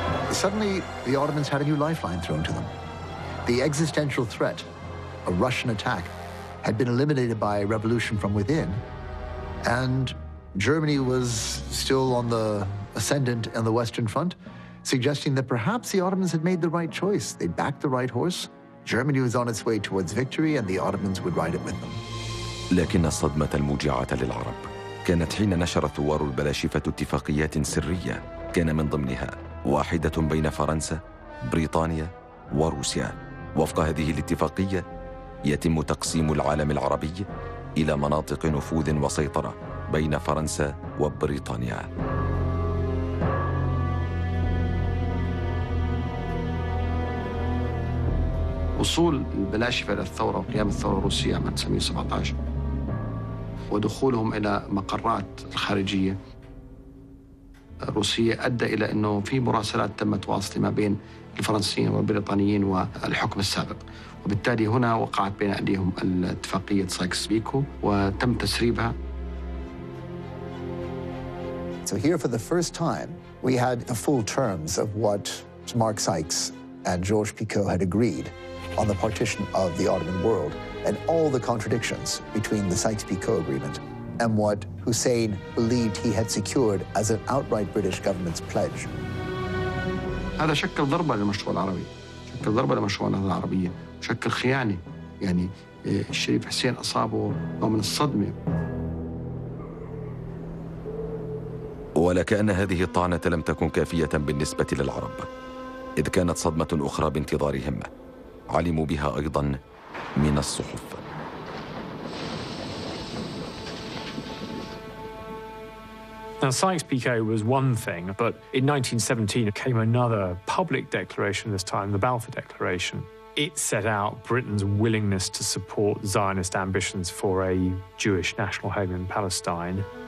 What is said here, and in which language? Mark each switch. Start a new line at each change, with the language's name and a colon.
English: Suddenly, the Ottomans had a new lifeline thrown to them. The existential threat, a Russian attack, had been eliminated by a revolution from within, and Germany was still on the ascendant in the Western Front, suggesting that perhaps the Ottomans had made the right choice. They'd backed the right horse. Germany was on its way towards victory, and the Ottomans would ride it with them.
Arabic: لكن الصدمة الموجعة للعرب كانت حين نشر الثوار البلاشفة اتفاقيات سرية كان من ضمنها واحدة بين فرنسا، بريطانيا، وروسيا، وفق هذه الاتفاقية يتم تقسيم العالم العربي إلى مناطق نفوذ وسيطرة بين فرنسا وبريطانيا. وصول البلاشفة للثورة وقيام الثورة الروسية عام 1917 ودخولهم إلى مقرات خارجية روسية أدى إلى أنه في مراسلات تمت واسطة ما بين الفرنسيين والبريطانيين والحكم السابق، وبالتالي هنا وقعت بين أيديهم الاتفاقية سايكس بيكو وتم تسريبها.
English: So here for the first time we had the full terms of what Mark Sykes and Georges Picot had agreed on the partition of the Ottoman world and all the contradictions between the Sykes-Picot agreement and what Hussein believed he had secured as an outright British government's pledge.
Arabic: هذا شكل ضربة للمشروع العربي، شكل ضربة لمشروع النهضة العربية، شكل خيانة، يعني الشريف حسين أصابه نوع من الصدمة. ولكأن هذه الطعنة لم تكن كافية بالنسبة للعرب، إذ كانت صدمة أخرى بانتظارهم علموا بها أيضاً من الصحف.
English: Now, Sykes-Picot was one thing, but in 1917 came another public declaration, this time the Balfour Declaration. It set out Britain's willingness to support Zionist ambitions for a Jewish national home in Palestine.